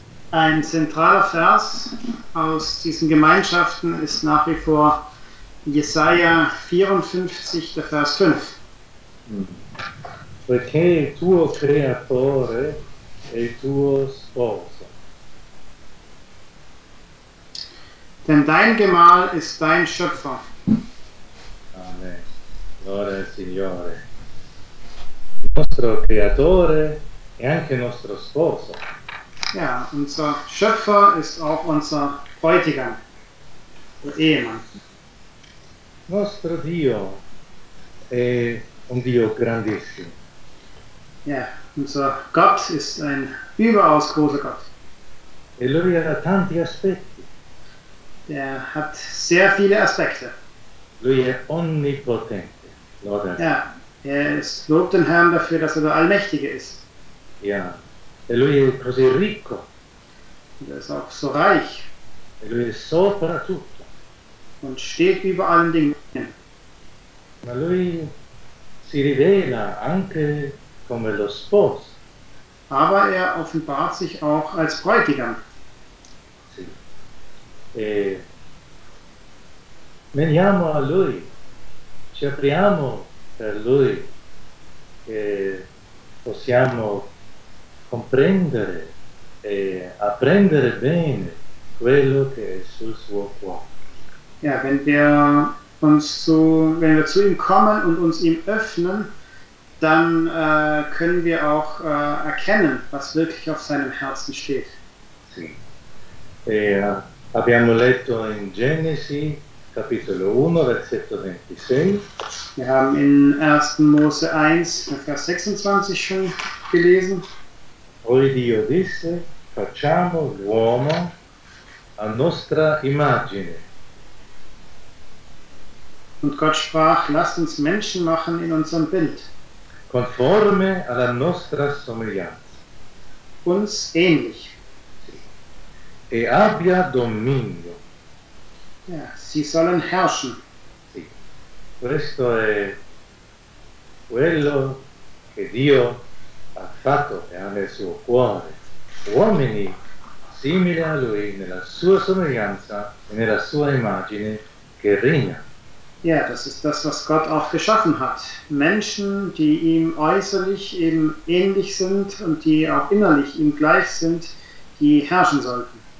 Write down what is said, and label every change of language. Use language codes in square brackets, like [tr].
[de] Ein zentraler Vers aus diesen Gemeinschaften ist nach wie vor Jesaja 54, der Vers 5. [it] Perché il tuo creatore è il tuo sposo. [de] Denn dein Gemahl ist dein Schöpfer. [it] Amen. Gloria al Signore. Il nostro creatore è anche nostro sposo. [de] Ja, unser Schöpfer ist auch unser Bräutigam, der Ehemann. [it] Nostro Dio è un Dio grandissimo. [de] Ja, unser Gott ist ein überaus großer Gott. [it] E lui ha tanti aspetti. [de] Der hat sehr viele Aspekte. [it] Lui è onnipotente. Lord. [de] Ja, er ist, lobt den Herrn dafür, dass er der Allmächtige ist. [it] Ja. E lui è così ricco. [de] Und er ist auch so reich. [it] E lui è sopra tutto. [de] Und steht über allen Dingen. [it] Ma lui si rivela anche come lo sposo. [de] Aber er offenbart sich auch als Bräutigam. [it] Sì. E veniamo a lui. Ci apriamo per lui. E possiamo comprendere e apprendere bene quello che è sul suo cuore. [de] Ja, wenn wir uns zu, wenn wir zu ihm kommen und uns ihm öffnen, dann können wir auch erkennen, was wirklich auf seinem Herzen steht. [it] Sì. E, abbiamo letto in Genesi, capitolo 1, versetto 26. [de] Wir haben in 1. Mose 1, Vers 26 schon gelesen. [it] Poi Dio disse, facciamo l'uomo a nostra immagine. [de] Und Gott sprach, lasst uns Menschen machen in unserem Bild. [it] Conforme alla nostra somiglianza. [de] Uns ähnlich. [it] E abbia dominio. [de] Ja, sie sollen herrschen. [it] Sì. Questo è quello che Dio ha fatto e ha nel suo cuore, uomini simili a lui nella sua somiglianza e nella sua immagine che regna. [de] Ja, das ist das, was Gott auch geschaffen hat. Menschen, die ihm äußerlich eben ähnlich sind und die auch innerlich ihm gleich sind, die herrschen sollten.